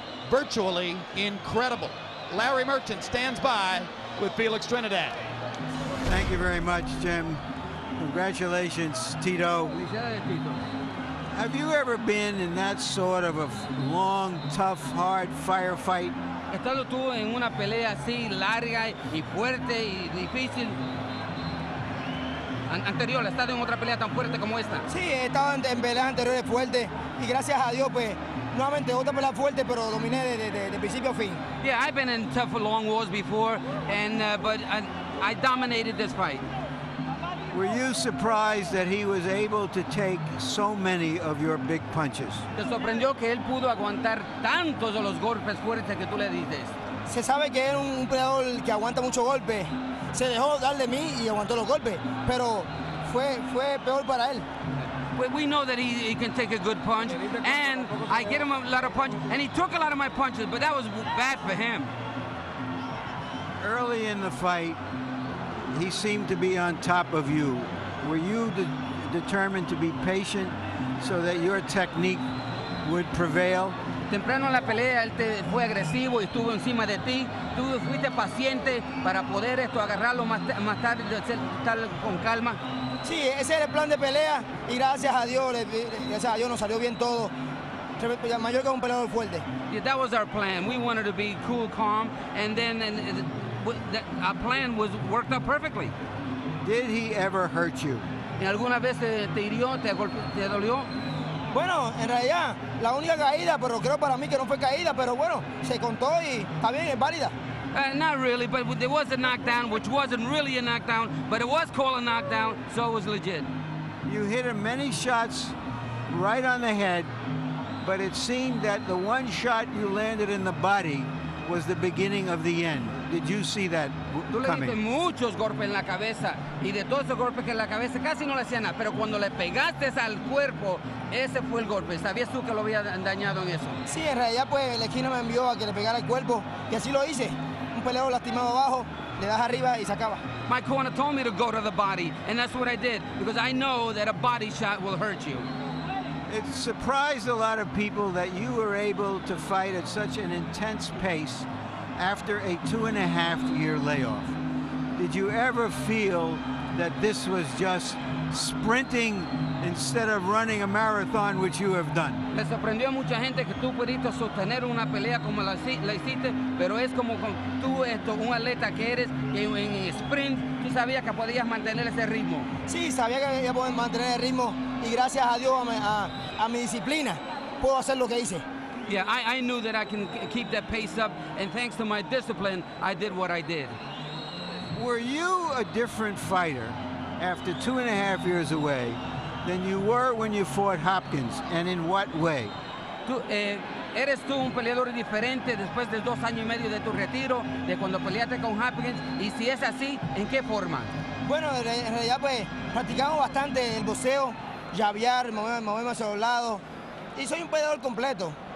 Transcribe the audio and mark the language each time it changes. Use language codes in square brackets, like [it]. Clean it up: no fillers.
[en] Virtually incredible. Larry Merchant stands by with Felix Trinidad. Thank you very much, Jim. Congratulations, Tito. Have you ever been in that sort of a long, tough, hard firefight? [es] Estado tú en una pelea así larga y fuerte y difícil. Anterior, ¿has estado en otra pelea tan fuerte como esta? Sí, he estado en peleas anteriores fuertes y gracias a Dios pues nuevamente otra pelea fuerte, pero dominé de principio a fin. [en] Yeah, I've been in tough long wars before, and but I dominated this fight. Were you surprised that he was able to take so many of your big punches? [es] ¿Te sorprendió que él pudo aguantar tantos de los golpes fuertes que tú le diste? Se sabe que era un peleador que aguanta mucho golpe. Se dejó dar de mí y aguantó los golpes, pero fue peor para él. [en] We know that he can take a good punch, and I get him a lot of punch, and he took a lot of my punches, but that was bad for him. Early in the fight, he seemed to be on top of you. Were you determined to be patient so that your technique would prevail. [es] Temprano en la pelea él te fue agresivo y estuvo encima de ti. Tú fuiste paciente para poder esto agarrarlo más tarde, estar con calma. Sí, ese era el plan de pelea y gracias a Dios nos salió bien todo. Mayorga es un peleador fuerte. [en] Yeah, that was our plan. We wanted to be cool, calm, and then our plan was worked out perfectly. Did he ever hurt you? [es] ¿Alguna vez te hirió, te dolió? Bueno, en realidad, la única caída, pero creo para mí que no fue caída, pero bueno, se contó y está bien, es válida. [en] Not really, but there was a knockdown, which wasn't really a knockdown, but it was called a knockdown, so it was legit. You hit him many shots right on the head, but it seemed that the one shot you landed in the body was the beginning of the end. Did you see that coming? [es] Tú le diste muchos golpes en la cabeza, y de todos esos golpes que en la cabeza casi no le hacía nada, pero cuando le pegaste al cuerpo, ese fue el golpe. ¿Sabías tú que lo había dañado en eso? Sí, en realidad, pues, el esquino me envió a que le pegara el cuerpo, que así lo hice. Un peleador lastimado abajo, le das arriba y se acaba. [en] My corner told me to go to the body, and that's what I did, because I know that a body shot will hurt you. It surprised a lot of people that you were able to fight at such an intense pace after a 2.5-year layoff. Did you ever feel that this was just sprinting instead of running a marathon, which you have done? [es] Me sorprendió a mucha gente que tú pudiste sostener una pelea como la hiciste, pero es como con tú esto, un atleta que eres, que en sprint tú sabías que podías mantener ese ritmo. Sí, sabía que podía mantener el ritmo, y gracias a Dios a mi disciplina puedo hacer lo que hice. [en] Yeah, I knew that I can keep that pace up, and thanks to my discipline, I did what I did. Were you a different fighter after 2.5 years away than you were when you fought Hopkins, and in what way? [es] Eres tú un peleador diferente después de 2 años y medio de tu retiro, de cuando peleaste con Hopkins, y si es así, ¿en qué forma? Bueno, en realidad, pues, practicamos bastante el boxeo, llavear, moverme hacia los lados, y soy un peleador completo.